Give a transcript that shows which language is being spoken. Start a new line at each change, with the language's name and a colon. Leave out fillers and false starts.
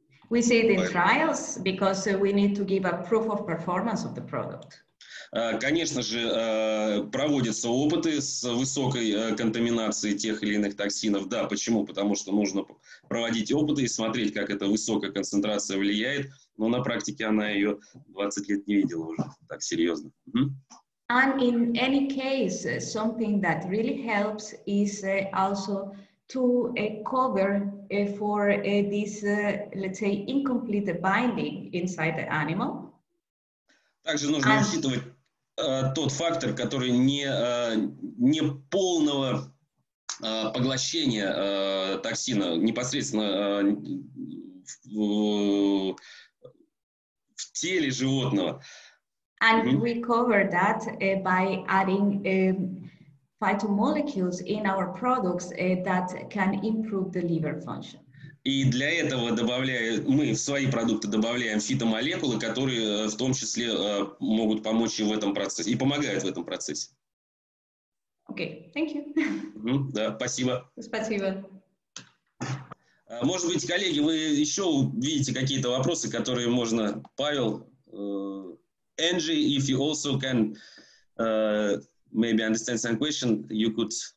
English: We see it in trials because we need to give a proof of performance of the product.
Russian: Конечно же, проводятся опыты с высокой контаминацией тех или иных токсинов. Да, почему? Потому что нужно проводить опыты и смотреть, как эта высокая концентрация влияет. Но на практике она ее 20 лет не видела уже так серьезно.
English: And in any case, something that really helps is also to cover for this, let's say, incomplete binding inside the animal.
Russian: Также нужно учитывать тот фактор, который не полного поглощения токсина непосредственно в теле животного.
English: And we cover that by adding phytomolecules in our products that can improve the liver function.
Russian: И для этого мы в свои продукты добавляем фитомолекулы, которые в том числе могут помочь и в этом процессе, и помогают в этом процессе.
English: Okay, thank you.
Russian: Да, спасибо. Спасибо. Может быть, коллеги, вы еще видите какие-то вопросы, которые можно... Павел...
English: Angie, if you also can maybe understand some question, you could...